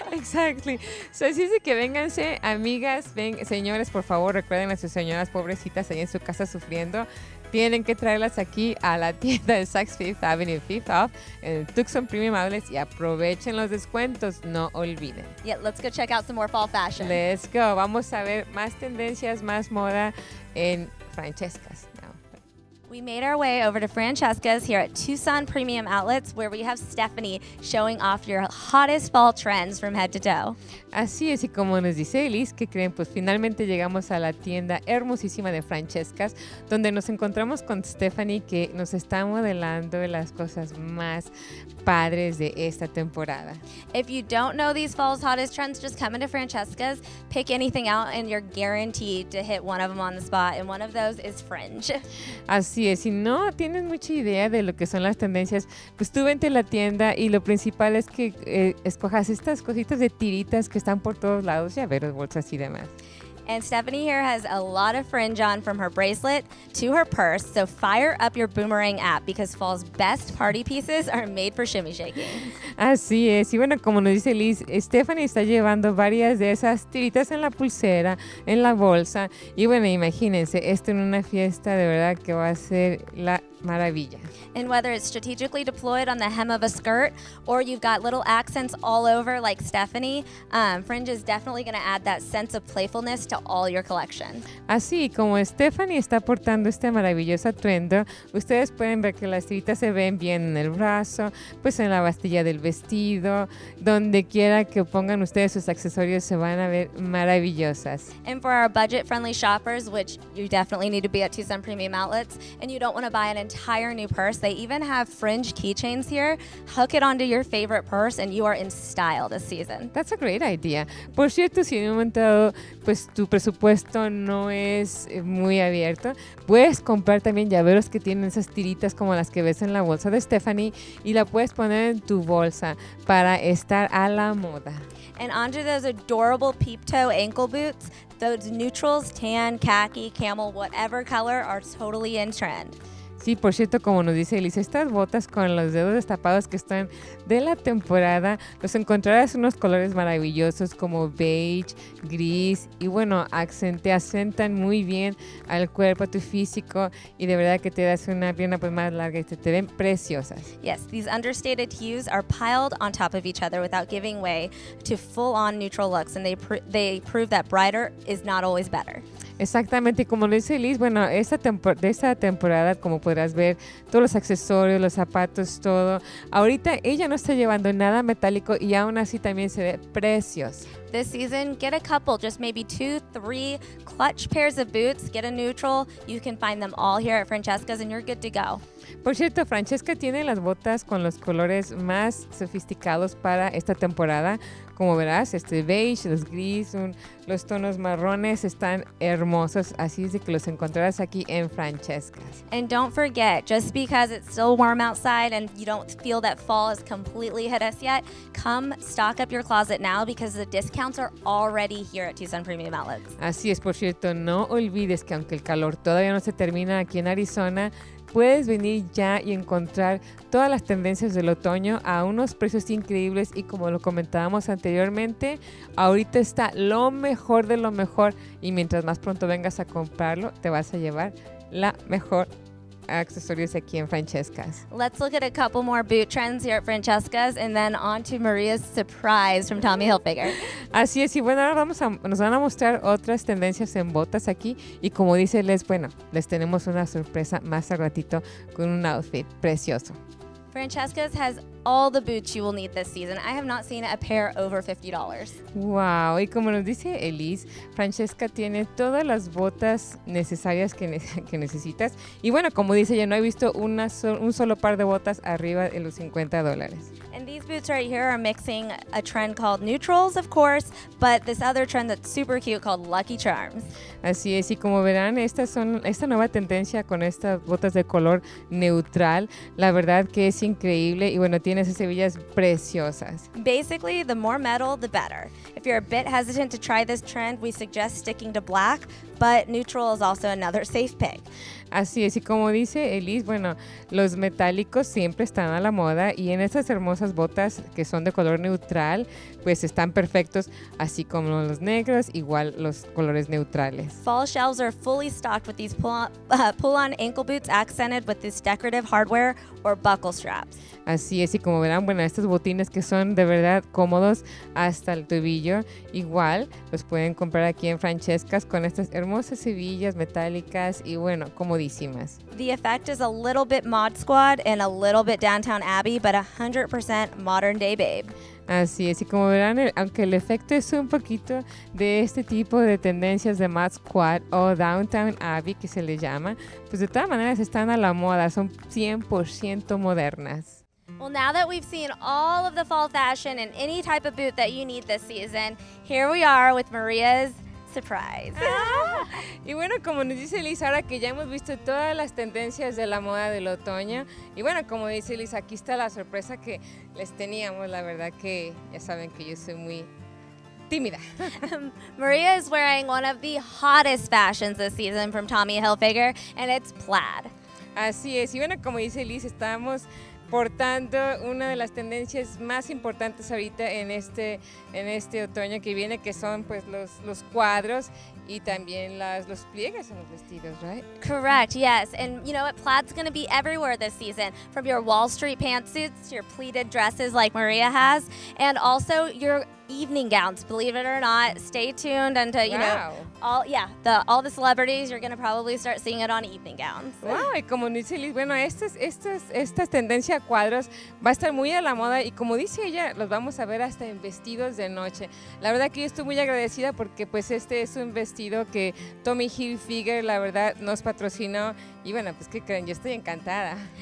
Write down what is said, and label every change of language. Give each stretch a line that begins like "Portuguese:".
English: Exactly.
Spanish: So, así es que vénganse, amigas, ven, señores, por favor, recuerden a sus señoras pobrecitas ahí en su casa sufriendo. Tienen que traerlas aquí a la tienda de Saks Fifth Avenue, Fifth Off, en Tucson Premium Outlets, y aprovechen los descuentos, no olviden.
English: Yeah, let's go check out some more fall fashion. Let's go.
Spanish: Vamos a ver más tendencias, más moda en Francesca's.
English: We made our way over to Francesca's here at Tucson Premium Outlets, where we have Stephanie showing off your hottest fall trends from head to toe.
Spanish: Así es, y como nos dice Elise, ¿qué creen? Pues finalmente llegamos a la tienda hermosísima de Francesca's, donde nos encontramos con Stephanie, que nos está modelando las cosas más padres de esta temporada.
English: If you don't know these fall's hottest trends, just come into Francesca's, pick anything out, and you're guaranteed to hit one of them on the spot, and one of those is fringe.
Spanish: Así es, si no tienes mucha idea de lo que son las tendencias, pues tú vente a la tienda, y lo principal es que escojas estas cositas de tiritas que están por todos lados, llaveros, bolsas y demás.
English: And Stephanie here has a lot of fringe on, from her bracelet to her purse, so fire up your Boomerang app, because fall's best party pieces are made for shimmy shaking.
Spanish: Así es, y bueno, como nos dice Liz, Stephanie está llevando varias de esas tiritas en la pulsera, en la bolsa, y bueno, imagínense, esto en una fiesta, de verdad que va a ser la maravilla.
English: And whether it's strategically deployed on the hem of a skirt, or you've got little accents all over like Stephanie, fringe is definitely going to add that sense of playfulness to all your collection.
Spanish: Así como Stephanie está portando este maravilloso atuendo, ustedes pueden ver que las tiritas se ven bien en el brazo, pues en la bastilla del vestido, donde quiera que pongan ustedes sus accesorios, se van a ver maravillosas.
English: And for our budget-friendly shoppers, which you definitely need to be at Tucson Premium Outlets, and you don't want to buy an entire new purse, they even have fringe keychains here. Hook it onto your favorite purse and you are in style this season. That's a great idea.
Spanish: Por cierto, si en un momento pues tu presupuesto no es muy abierto, puedes comprar también llaveros que tienen esas tiritas como las que ves en la bolsa de Stephanie, y la puedes poner en tu bolsa para estar a la moda.
English: And onto those adorable peep toe ankle boots, those neutrals, tan, khaki, camel, whatever color, are totally in trend.
Spanish: Sí, por cierto, como nos dice Elise, estas botas con los dedos destapados que están de la temporada, los encontrarás en unos colores maravillosos como beige, gris, y bueno, acentan muy bien al cuerpo, a tu físico, y de verdad que te das una pierna pues más larga y te ven preciosas.
English: Yes, these understated hues are piled on top of each other without giving way to full-on neutral looks, and they prove that brighter is not always better.
Spanish: Exactamente, y como lo dice Liz, bueno, esta temporada, como podrás ver, todos los accesorios, los zapatos, todo. Ahorita ella no está llevando nada metálico y aún así también se ve precioso.
English: This season, get a couple, just maybe 2-3 clutch pairs of boots, get a neutral, you can find them all here at Francesca's and you're good to go.
Spanish: Por cierto, Francesca tiene las botas con los colores más sofisticados para esta temporada. Como verás, este beige, los gris, los tonos marrones están hermosos, así es de que los encontrarás aquí en Francesca's.
English: And don't forget, just because it's still warm outside and you don't feel that fall has completely hit us yet, come stock up your closet now, because the discounts are already here at Tucson Premium Outlets.
Spanish: Así es, por cierto, no olvides que aunque el calor todavía no se termina aquí en Arizona, puedes venir ya y encontrar todas las tendencias del otoño a unos precios increíbles, y como lo comentábamos anteriormente, ahorita está lo mejor de lo mejor, y mientras más pronto vengas a comprarlo, te vas a llevar la mejor accesorios aquí en Francesca's.
English: Let's look at a couple more boot trends here at Francesca's, and then on to Maria's surprise from Tommy Hilfiger.
Spanish: Así es, y bueno, ahora nos van a mostrar otras tendencias en botas aquí, y como dice Les, bueno, les tenemos una sorpresa más al ratito con un outfit precioso.
English: Francesca's has all the boots you will need this season. I have not seen a pair over $50.
Spanish: Wow, y como nos dice Elise, Francesca tiene todas las botas necesarias que necesitas. Y bueno, como dice, yo no he visto un solo par de botas arriba de los $50.
English: And these boots right here are mixing a trend called neutrals, of course, but this other trend that's super cute called Lucky Charms.
Spanish: Así es, y como verán, esta nueva tendencia con estas botas de color neutral, la verdad que es increíble, y bueno, tiene esas hebillas preciosas.
English: Basically, the more metal, the better. If you're a bit hesitant to try this trend, we suggest sticking to black, but neutral is also another safe pick.
Spanish: Así es, y como dice Elise, bueno, los metálicos siempre están a la moda, y en estas hermosas botas que son de color neutral, pues están perfectos, así como los negros, igual los colores neutrales.
English: Fall shelves are fully stocked with these pull-on ankle boots accented with this decorative hardware or buckle straps.
Spanish: Así es, y como verán, bueno, estos botines que son de verdad cómodos hasta el tobillo, igual los pueden comprar aquí en Francesca's con estas hermosas hebillas metálicas y bueno, comodísimas.
English: The effect is a little bit Mod Squad and a little bit Downtown Abbey, but 100% modern day babe.
Spanish: Así es, y como verán, aunque el efecto es un poquito de este tipo de tendencias de Mod Squad o Downtown Abbey, que se le llama, pues de todas maneras están a la moda, son 100% modernas.
English: Well, now that we've seen all of the fall fashion and any type of boot that you need this season, here we are with Maria's surprise.
Spanish: Y bueno, como nos dice Liz, ahora que ya hemos visto todas las tendencias de la moda del otoño, y bueno, como dice Liz, aquí está la sorpresa que les teníamos, la verdad que ya saben que yo soy muy tímida.
English: Maria is wearing one of the hottest fashions this season from Tommy Hilfiger, and it's plaid.
Spanish: Así es, y bueno, como dice Liz, estamos portando una de las tendencias más importantes ahorita en este otoño que viene, que son pues los cuadros y también los pliegues en los vestidos,
English: right? Correct, yes. And you know what? Plaid's going to be everywhere this season, from your Wall Street pantsuits to your pleated dresses like Maria has, and also your evening gowns, believe it or not. Stay tuned and all the celebrities, you're going to probably start seeing it on evening gowns.
Spanish: Wow, y como dice Liz, bueno, esta tendencia a cuadros va a estar muy a la moda, y como dice ella, los vamos a ver hasta en vestidos de noche. La verdad que yo estoy muy agradecida porque pues este es un vestido que Tommy Hilfiger, la verdad, nos patrocinó, y bueno, pues qué creen, yo estoy encantada.